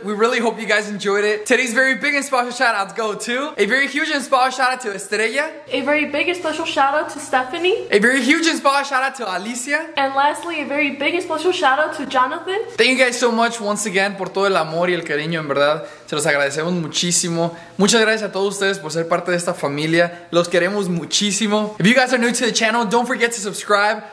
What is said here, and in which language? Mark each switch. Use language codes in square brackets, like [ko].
[en] We really hope you guys enjoyed it. Today's very big and special shout outs go to a very huge and special shout out to Estrella. A very big and special shout out to Stephanie. A very huge and special shout out to Alicia. And lastly, a very big and special shout out to Jonathan. Thank you guys so much once again [es] por todo el amor y el cariño, en verdad. Se los agradecemos muchísimo. Muchas gracias a todos ustedes por ser parte de esta familia. Los queremos muchísimo. [en] If you guys are new to the channel, don't forget to subscribe.